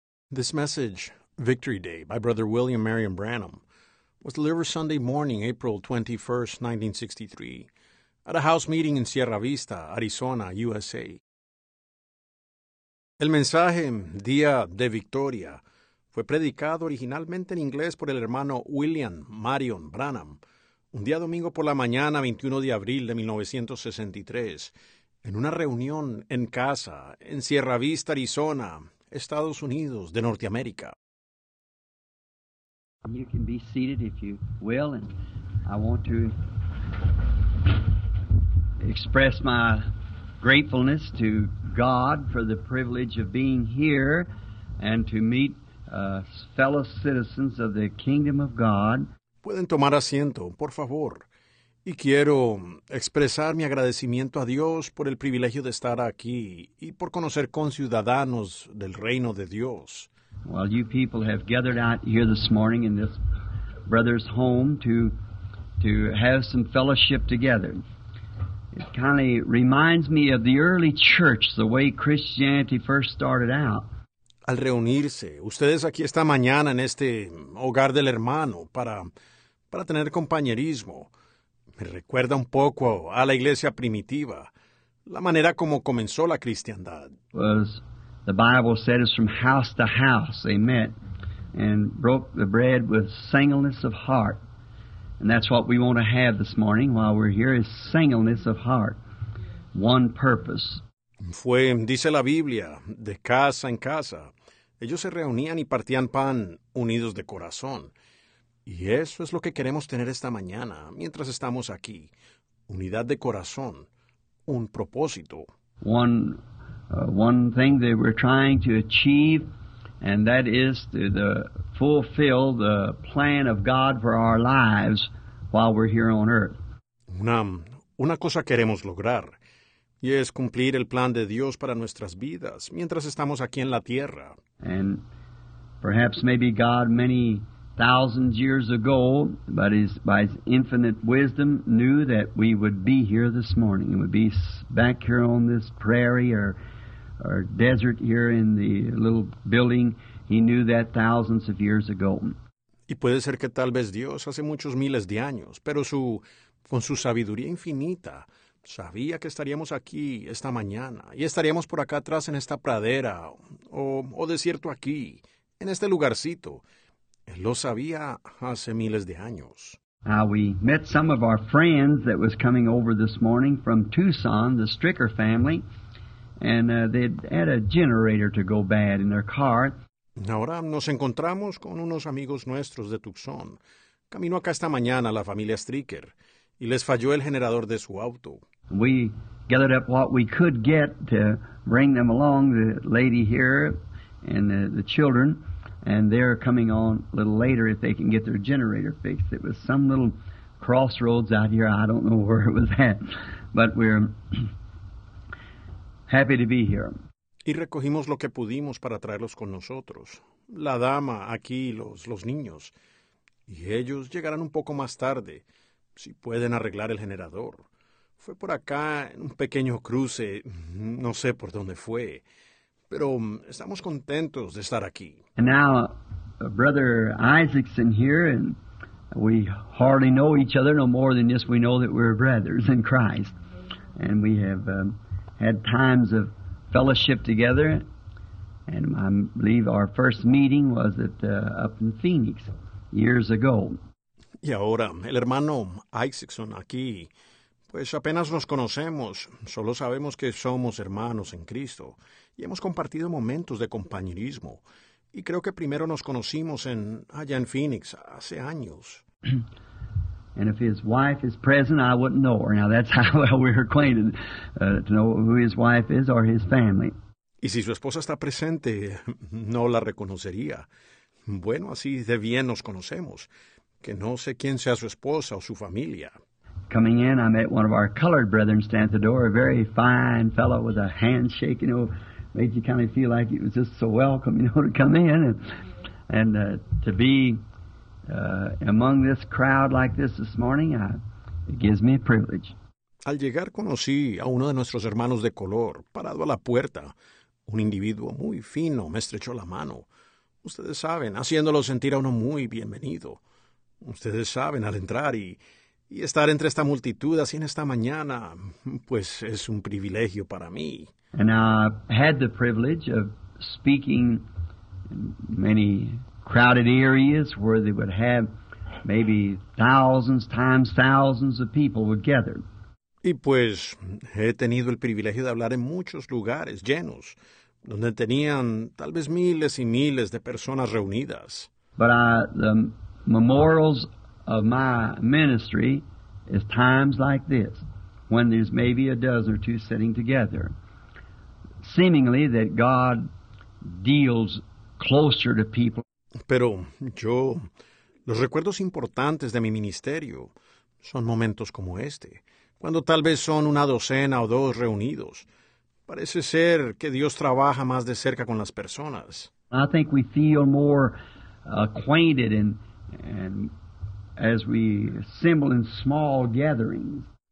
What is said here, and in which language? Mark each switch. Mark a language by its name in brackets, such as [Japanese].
[English] This message, Victory Day, by Brother William Marion Branham, was delivered Sunday morning, April 21, 1963, at a house meeting in Sierra Vista, Arizona, USA. [Spanish] El mensaje, Día de Victoria, fue predicado originalmente en inglés por el hermano William Marion Branham, un día domingo por la mañana, 21 de abril de 1963, en una reunión en casa, en Sierra Vista, Arizona, Estados Unidos de Norteamérica. [English] You can be seated if you will, and I want to express my gratefulness to God for the privilege of being here and to meet fellow citizens of the kingdom of God. [Spanish] Pueden tomar asiento, por favor. Y quiero expresar mi agradecimiento a Dios por el privilegio de estar aquí y por conocer conciudadanos del reino de Dios. [English] Well, you people have gathered out here this morning in this brother's home to have some fellowship together. It kind of reminds me of the early church, the way Christianity first started out. [Spanish] Al reunirse, ustedes aquí esta mañana en este hogar del hermano para tener compañerismo. Me recuerda un poco a la iglesia primitiva, la manera como comenzó la cristiandad. [English] Was the Bible said it's from house to house they met and broke the bread with singleness of heart. And that's what we want to have this morning while we're here is singleness of heart, one purpose. [Spanish] Fue, dice la Biblia, de casa en casa. Ellos se reunían y partían pan unidos de corazón. Y eso es lo que queremos tener esta mañana, mientras estamos aquí. Unidad de corazón. Un propósito. [English] One thing that we're trying to achieve, and that is to fulfill the plan of God for our lives while we're here on earth. [Spanish] Una cosa queremos lograr, y es cumplir el plan de Dios para nuestras vidas, mientras estamos aquí en la tierra. [English] And perhaps maybe God many thousands years ago, but by his infinite wisdom, knew that we would be here this morning. We would be back here on this prairie or desert here in the little building. He knew that thousands of years ago. [Spanish] Y puede ser que tal vez Dios hace muchos miles de años, pero con su sabiduría infinita, sabía que estaríamos aquí esta mañana y estaríamos por acá atrás en esta pradera o desierto aquí, en este lugarcito. Él lo sabía hace miles de años. [English] We met some of our friends that was coming over this morning from Tucson, the Stricker family, and they had a generator to go bad in their car. [Spanish] Ahora nos encontramos con unos amigos nuestros de Tucson. Camino acá esta mañana la familia Stricker, y les falló el generador de su auto. [English] We gathered up what we could get to bring them along, the lady here and the children. And they're coming on a little later if they can get their generator fixed. It was some little crossroads out here. I don't know where it was at. But we're happy to be here. [Spanish] Y recogimos lo que pudimos para traerlos con nosotros. La dama, aquí, los niños. Y ellos llegarán un poco más tarde, si pueden arreglar el generador. Fue por acá, en un pequeño cruce. No sé por dónde fue. Pero estamos contentos de estar aquí. [English] And now, Brother Isaacson here, and we hardly know each other no more than just we know that we're brothers in Christ. And we have had times of fellowship together, and I believe our first meeting was up in Phoenix years ago. [Spanish] Y ahora, el hermano Isaacson aquí, pues apenas nos conocemos, solo sabemos que somos hermanos en Cristo, y hemos compartido momentos de compañerismo. Y creo que primero nos conocimos allá en Phoenix, hace años. [English] And if his wife is present, I wouldn't know her. Now that's how well we're acquainted, to know who his wife is or his family. [Spanish] Y si su esposa está presente, no la reconocería. Bueno, así de bien nos conocemos, que no sé quién sea su esposa o su familia. [English] Coming in, I met one of our colored brethren stand at the door, a very fine fellow with a handshake, you know. Made you kind of feel like it was just so welcome, you know, to come in and to be among this crowd like this morning. It gives me a privilege. [Spanish] Al llegar conocí a uno de nuestros hermanos de color parado a la puerta. Un individuo muy fino me estrechó la mano. Ustedes saben, haciéndolo sentir a uno muy bienvenido. Ustedes saben, al entrar y estar entre esta multitud así en esta mañana, pues es un privilegio para mí. [English] And I had the privilege of speaking in many crowded areas where they would have maybe thousands times thousands of people would gather. [Spanish] Y pues he tenido el privilegio de hablar en muchos lugares llenos, donde tenían tal vez miles y miles de personas reunidas. [English] But the memorials of my ministry is times like this, when there's maybe a dozen or two sitting together. Seemingly that God deals closer to people. [Spanish] Pero yo, los recuerdos importantes de mi ministerio son momentos como este, cuando tal vez son una docena o dos reunidos. Parece ser que Dios trabaja más de cerca con las personas. [English] I think we feel more acquainted and as we assemble in small gatherings.